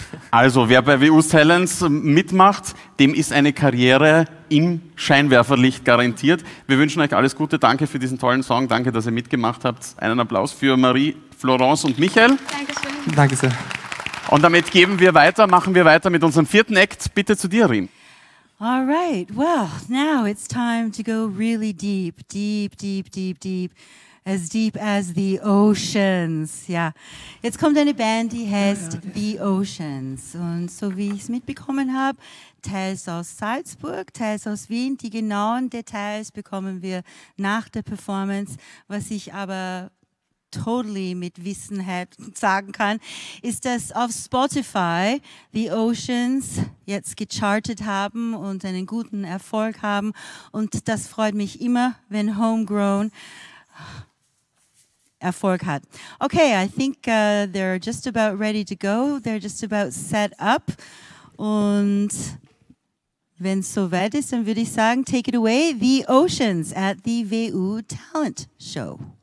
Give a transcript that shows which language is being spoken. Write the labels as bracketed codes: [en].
[de] Also wer bei WU's Talents mitmacht, dem ist eine Karriere im Scheinwerferlicht garantiert. Wir wünschen euch alles Gute. Danke für diesen tollen Song. Danke, dass ihr mitgemacht habt. Einen Applaus für Marie, Florence und Michael. Dankeschön. Danke sehr. Und damit machen wir weiter mit unserem vierten Act. Bitte zu dir, Rim. [en] All right, well, now it's time to go really deep, deep, deep, deep, deep as the oceans. [de] Ja, jetzt kommt eine Band, die heißt The Oceans. Und so wie ich es mitbekommen habe, teils aus Salzburg, teils aus Wien, die genauen Details bekommen wir nach der Performance. Was ich aber totally mit Wissenheit sagen kann, ist, dass auf Spotify The Oceans jetzt gechartet haben und einen guten Erfolg haben. Und das freut mich immer, wenn Homegrown Erfolg hat. [en] Okay, I think they're just about ready to go. They're just about set up. [de] Und wenn es soweit ist, dann würde ich sagen, [en] take it away, The Oceans at the WU Talent Show.